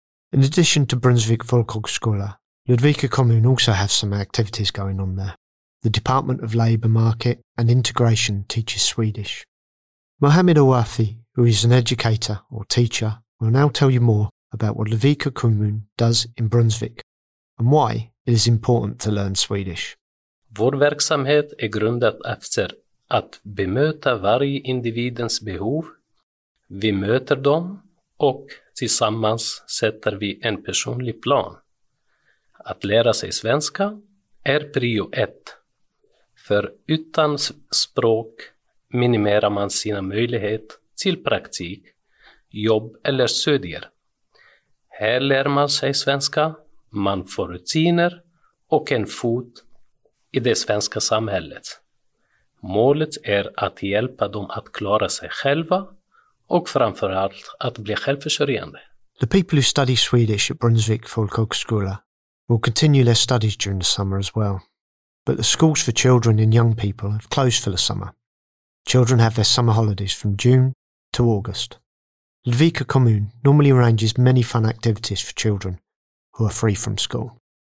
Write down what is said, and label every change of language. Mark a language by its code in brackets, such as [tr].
[en] In addition to Brunswick Folkhögskola, Ludvika kommun also has some activities going on there. The Department of Labour Market and Integration teaches Swedish. Mohamed Awafi, who is an educator or teacher, will now tell you more about what Ludvika kommun does in Brunswick and why it is important to learn Swedish. [sv] Vår verksamhet är grundat efter att bemöta varje individens behov. Vi möter dem och tillsammans sätter vi en personlig plan. Att lära sig svenska är prio ett. För utan språk minimerar man sina möjligheter till praktik, jobb eller studier. Här lär man sig svenska, man får rutiner och en fot i det svenska samhället. Målet är att hjälpa dem att klara sig själva och framförallt att bli självförsörjande. [en] The people who study Swedish at Brunswick Folkhögskola will continue their studies during the summer as well. But the schools for children and young people have closed for the summer. Children have their summer holidays from June to August. Ludvika kommun normally arranges many fun activities for children who are free from school.